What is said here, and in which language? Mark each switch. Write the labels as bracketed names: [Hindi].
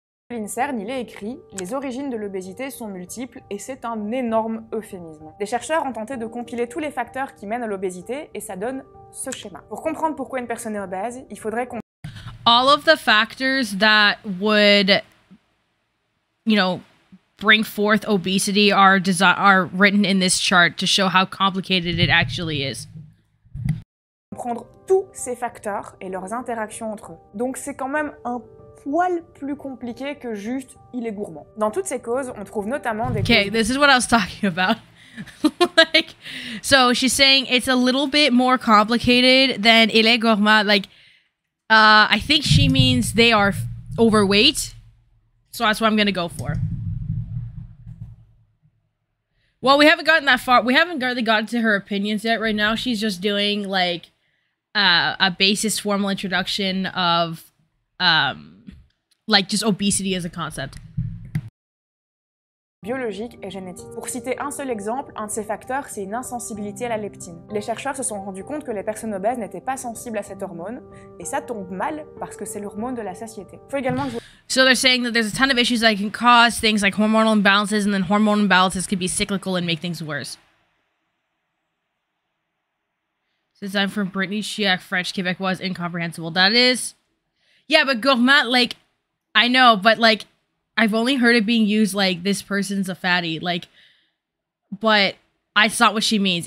[French] L'INSERM, il est écrit, les origines de l'obésité sont multiples et c'est un énorme euphémisme. Des chercheurs ont tenté de compiler tous les facteurs qui mènent à l'obésité et ça donne ce schéma. Pour comprendre pourquoi une personne est obèse, il faudrait [English] All of the factors that would, you know, bring forth obesity are written in this chart to show how complicated it actually is. [French] Comprendre tous ces facteurs et leurs interactions entre eux. Donc c'est quand même un poil plus compliqué que juste il est gourmand. Dans toutes ces causes, on trouve notamment des [English] Okay, this is what I was talking about. Like, so she's saying it's a little bit more complicated than [French] il est gourmand. [English] Like, I think she means they are overweight. So that's what I'm gonna go for. Well, we haven't gotten that far. We haven't really gotten to her opinions yet. Right now, she's just doing like a basis formal introduction of like just obesity as a concept. [French] Biologique et génétique. Pour citer un seul exemple, un de ces facteurs, c'est une insensibilité à la leptine. Les chercheurs se sont rendus compte que les personnes obèses n'étaient pas sensibles à cette hormone, et ça tombe mal parce que c'est l'hormone de la satiété. Faut également que [English] So they're saying that there's a ton of issues that can cause things like hormonal imbalances, and then hormonal imbalances could be cyclical and make things worse. Since I'm from Brittany, Chiac, French, Quebec was incomprehensible. That is... Yeah, but gourmand, like, I know, but, like, I've only heard it being used, like, this person's a fatty, like, but I saw what she means.